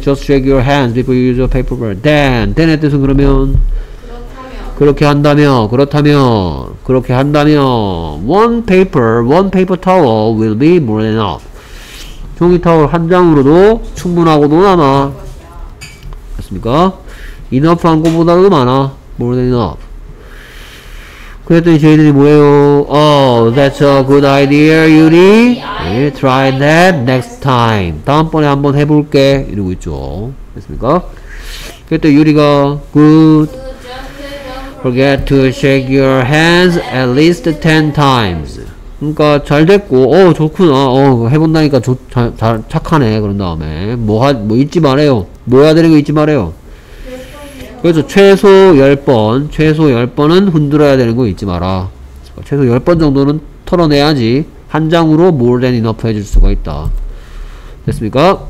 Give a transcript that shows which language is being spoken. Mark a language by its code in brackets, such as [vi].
[en] Just shake your hands before you use your paper towel. [ko] Then의 뜻은 그러면? 그렇다면. 그렇게 한다면. 그렇다면. 그렇게 한다면. [en] One paper towel will be more than enough. [ko] 종이 타월 한 장으로도 충분하고도 많아. 맞습니까? Enough 한 것보다도 많아. [en] More than enough. [ko] 그랬더니 제이들이 뭐예요? [en] Oh, that's a good idea, Yuri. Try that next time. [ko] 다음번에 한번 해볼게. 이러고 있죠. 됐습니까? 그랬더니 유리가 good. [en] Forget to shake your hands at least 10 times. [ko] 그러니까 잘 됐고, 어 좋구나. 어 해본다니까 착하네. 그런 다음에 뭐 잊지 말아요. 뭐 해야 되는 거 잊지 말아요. 그래서 최소 10번, 최소 10번은 흔들어야 되는 거 잊지 마라. 최소 10번 정도는 털어내야지 한 장으로 [en] more than enough [ko] 해줄 수가 있다. 됐습니까?